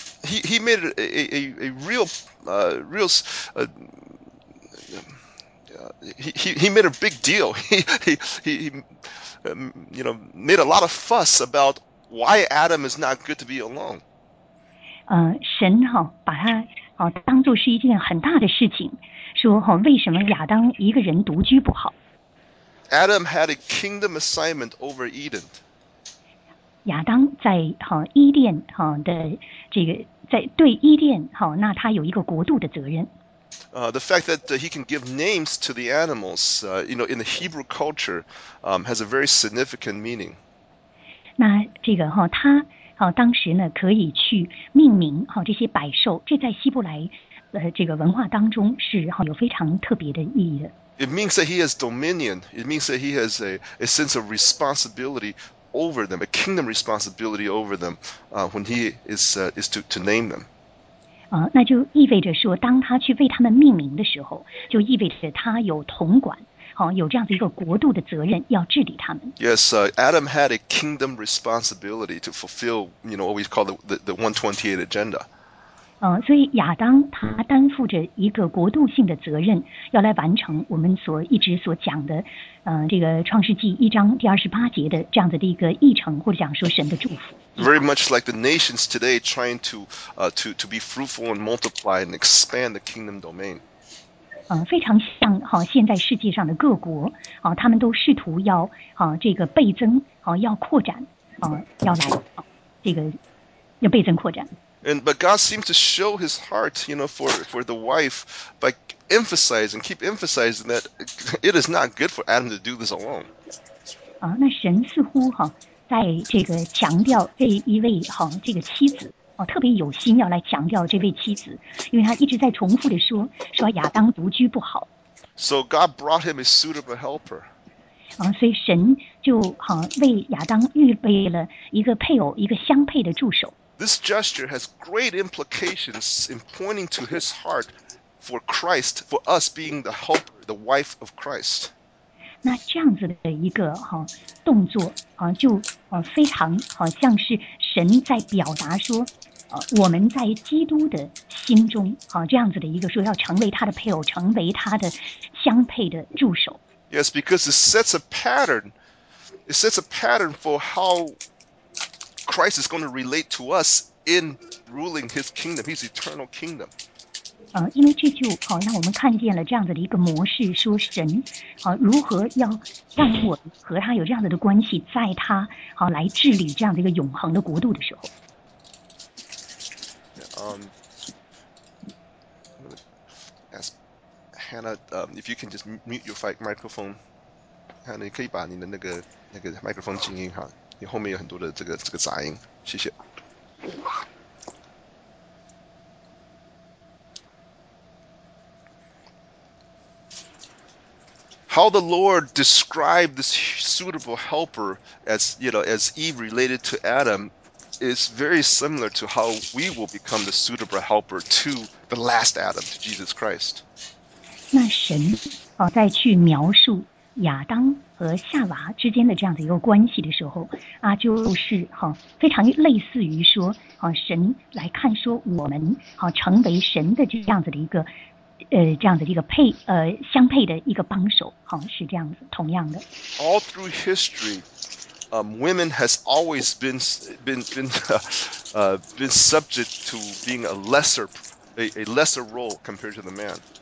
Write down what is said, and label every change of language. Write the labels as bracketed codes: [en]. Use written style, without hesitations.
[en] He made a lot of fuss about why Adam is not good to be alone. [zh] 神哈、哦、把他哦当做是一件很大的事情，说哈、哦、为什么亚当一个人独居不好 [en] ？Adam had a kingdom assignment over Eden. [zh] 亚当在哈、哦、伊甸哈、哦、的这个在对伊甸哈、哦，那他有一个国度的责任。 [en] The fact that he can give names to the animals, you know, in the Hebrew culture, has a very significant meaning. [zh] 那这个哈、哦，他哦，当时呢可以去命名哈、哦、这些百兽，这在希伯来这个文化当中是哈、哦、有非常特别的意义的。 [en] It means that he has dominion. It means that he has a sense of responsibility over them, a kingdom responsibility over them, when he is to name them. [zh] 那就意味着说，当他去为他们命名的时候，就意味着他有统管，哦，有这样的一个国度的责任要治理他们。 [en] Yes, Adam had a kingdom responsibility to fulfill, you know, what we call the 128 agenda. [zh] 所以亚当他担负着一个国度性的责任，要来完成我们所一直所讲的，这个创世纪一章第二十八节的这样子的一个议程，或者讲说神的祝福。 [en] Very much like the nations today trying to be fruitful and multiply and expand the kingdom domain. [zh] 非常像哈、哦、现在世界上的各国啊、哦，他们都试图要啊、哦、这个倍增啊、哦、要扩展啊、哦、要来、哦、这个要倍增扩展。 [en] But God seems to show His heart, you know, for the wife by emphasizing, keep emphasizing that it is not good for Adam to do this alone. [zh] 那神似乎哈、在这个强调这一位哈、这个妻子哦，特别有心要来强调这位妻子，因为他一直在重复的说亚当独居不好。 [en] So God brought him a suitable helper. [zh] 所以神就哈、为亚当预备了一个配偶，一个相配的助手。 [en] This gesture has great implications in pointing to his heart for Christ, for us being the helper, the wife of Christ. [zh] 那这样子的一个哈、动作啊、就啊、非常好、像是神在表达说，我们在基督的心中啊、这样子的一个说要成为他的配偶，成为他的相配的助手。 [en] Yes, because it sets a pattern. It sets a pattern for how. Christ is going to relate to us in ruling His kingdom, His eternal kingdom. [zh] 因为这就好、让我们看见了这样子的一个模式，说神好、如何要让我和他有这样子的关系，在他好、来治理这样的一个永恒的国度的时候。 [en] Ask Hannah, if you can just mute your microphone. [zh] Hannah, 你可以把你的那个麦克风静音哈。你后面有很多的这个杂音，谢谢。 [en] How the Lord described this suitable helper as, you know, as Eve related to Adam is very similar to how we will become the suitable helper to the last Adam, to Jesus Christ. [zh] 那神哦，再去描述亚当和夏娃之间的这样的一个关系的时候啊，就是哈、非常类似于说啊、神来看说我们啊、成为神的这样子的一个这样的一个配相配的一个帮手哈、是这样子同样的。 [en] All through history, women has always been subject to being a lesser role compared to the man.